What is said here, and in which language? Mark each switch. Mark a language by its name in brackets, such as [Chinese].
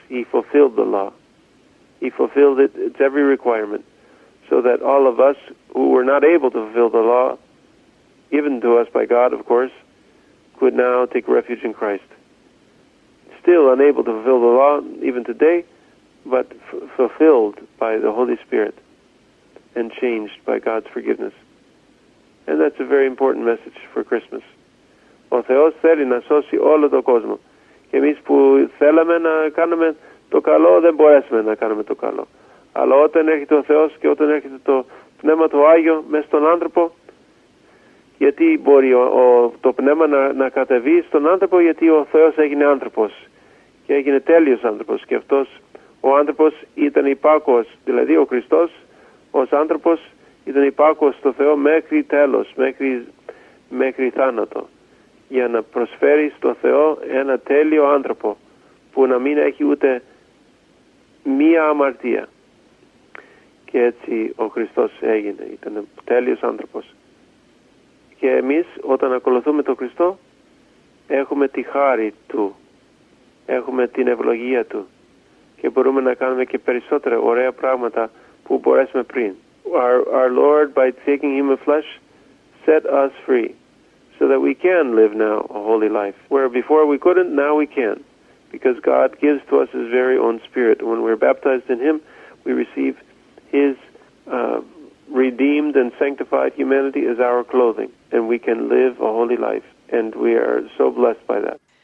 [English] He fulfilled the law. He fulfilled it, its every requirement, so that all of us who were not able to fulfill the law, given to us by God, of course, could now take refuge in Christ. Still unable to fulfill the law, even today, but fulfilled by the Holy Spirit and changed by God's forgiveness. And that's a very important message for Christmas. [Greek] Ο Θεός θέλει να σώσει όλο τον κόσμο. Και εμείς που θέλαμε να κάνουμε το καλό, δεν μπορέσουμε να κάνουμε το καλό. Αλλά όταν έρχεται ο Θεός και όταν έρχεται το Πνεύμα το Άγιο μέσα στον άνθρωπο, γιατί μπορεί το Πνεύμα να κατεβεί στον άνθρωπο, γιατί ο Θεός έγινε άνθρωπος και έγινε τέλειος άνθρωπος. Και αυτός ο άνθρωπος ήταν υπάκος, δηλαδή ο Χριστός ως άνθρωπος ήταν υπάκος στο Θεό μέχρι τέλος, μέχρι θάνατο, για να προσφέρει στο Θεό ένα τέλειο άνθρωπο που να μην έχει ούτε μία αμαρτία. Και έτσι ο Χριστός έγινε, ήταν τέλειος άνθρωπος. Και εμείς όταν ακολουθούμε τον Χριστό έχουμε τη χάρη Του, έχουμε την ευλογία Του και μπορούμε να κάνουμε και περισσότερα ωραία πράγματα που μπορέσουμε πριν. [English] Our Lord, by taking human flesh, set us free, so that we can live now a holy life. Where before we couldn't, now we can, because God gives to us His very own Spirit. When we're baptized in Him, we receive His redeemed and sanctified humanity as our clothing, and we can live a holy life, and we are so blessed by that.